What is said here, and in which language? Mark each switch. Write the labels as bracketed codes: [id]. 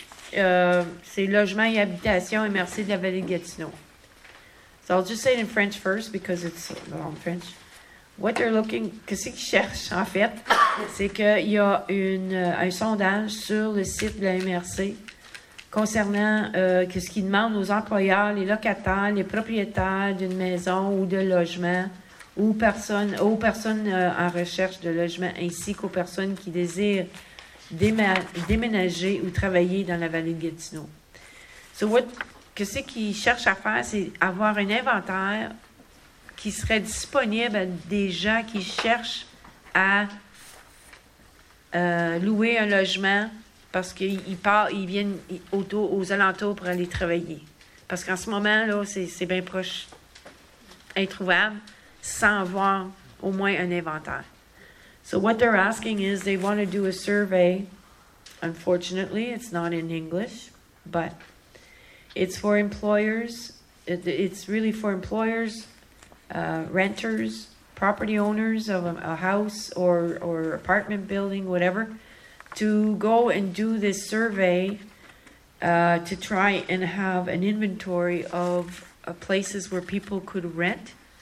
[fr] C'est logement et habitation et merci de la vallée de Gatineau. [en] So I'll just say it in French first because it's long French. What they're looking, [fr] qu'est-ce qu'ils cherchent en fait, c'est qu'il y a un sondage sur le site de la MRC concernant qu'est-ce qu'ils demandent aux employeurs, les locataires, les propriétaires d'une maison ou de logement. Aux personnes en recherche de logement ainsi qu'aux personnes qui désirent déménager ou travailler dans la vallée de Gatineau. [en] So what, [fr] qu'est-ce qu'ils cherchent à faire, c'est avoir un inventaire qui serait disponible à des gens qui cherchent à louer un logement parce qu'ils partent, ils viennent autour, aux alentours pour aller travailler. Parce qu'en ce moment, là, c'est bien proche, introuvable. Sans avoir au moins un inventaire. [en] So what they're asking is they want to do a survey. Unfortunately, it's not in English, but it's for employers. It's really for employers, renters, property owners of a house or apartment building, whatever, to go and do this survey to try and have an inventory of places where people could rent.